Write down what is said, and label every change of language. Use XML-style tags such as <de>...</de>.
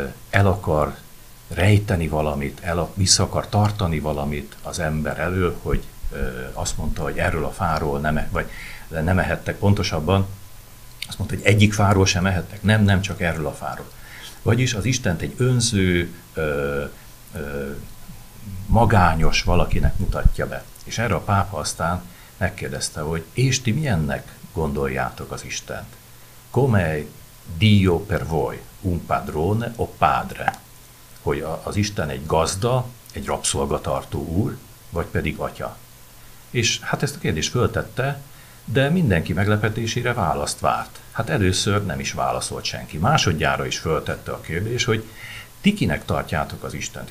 <hu>el akar rejteni valamit, vissza akar tartani valamit az ember elől, hogy azt mondta, hogy erről a fáról nem ehettek pontosabban, azt mondta, hogy egyik fáról sem ehettek, nem csak erről a fáról. Vagyis az Istent egy önző, magányos valakinek mutatja be. És erre a pápa aztán megkérdezte, hogy és ti milyennek gondoljátok az Istent?</hu> <it>Come Dio per voi, un padrone o padre?</it> <hu>Hogy az Isten egy gazda, egy rabszolgatartó úr, vagy pedig atya? És hát ezt a kérdést föltette, de mindenki meglepetésére választ várt. Hát először nem is válaszolt senki. Másodjára is föltette a kérdést, hogy ti kinek tartjátok az Istent?</hu>